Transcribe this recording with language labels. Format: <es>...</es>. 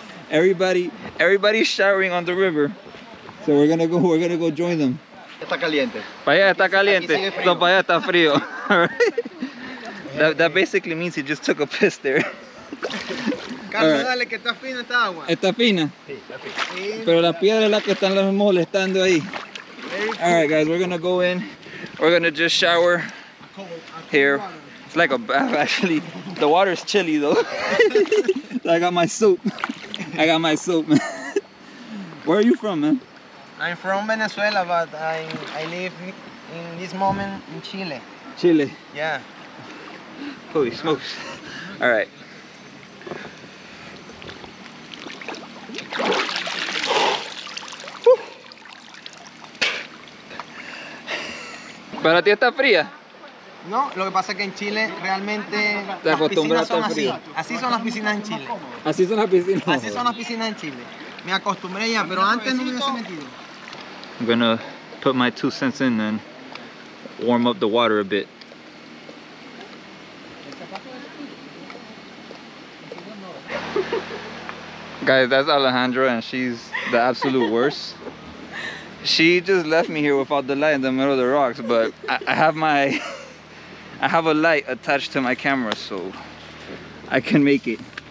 <en>Everybody's showering on the river. So we're gonna go join them.</en> <es>está caliente. Para allá está caliente. No, para allá está frío.</es> <en>That basically means he just took a piss there.</en> <es>Carlos, right. Dale, que está fina esta agua. ¿Está fina? Sí, está fina. Pero la piedra es la que están molestando ahí.</es> <en>All right, guys, we're going to go in. We're going to just shower here. It's like a bath, actually. The water is chilly, though. I got my soap, man. Where are you from, man? I'm from Venezuela, but I live in this moment in Chile. Chile? Yeah. Holy smokes. All right.</en> <es>¿Para ti está fría? No, lo que pasa es que en Chile realmente te las piscinas son así. Así son las piscinas en Chile. Así son las piscinas. Así son las piscinas en Chile. Me acostumbré ya, pero antes no me hubiese metido.</es> <en>I'm gonna put my two cents in and warm up the water a bit. Guys, that's Alejandra and she's the absolute worst. She just left me here without the light in the middle of the rocks, but I have a light attached to my camera, so I can make it.</en>